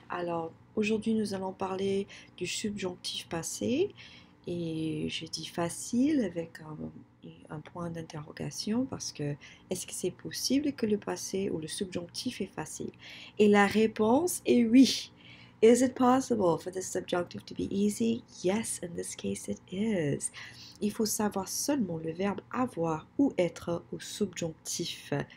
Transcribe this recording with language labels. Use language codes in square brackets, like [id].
[fr] Alors, aujourd'hui, nous allons parler du subjonctif passé. Et j'ai dit facile avec un point d'interrogation parce que est-ce que c'est possible que le passé ou le subjonctif est facile? Et la réponse est oui. [en] Is it possible for the subjunctive to be easy? Yes, in this case, it is. [fr] Il faut savoir seulement le verbe avoir ou être au subjonctif.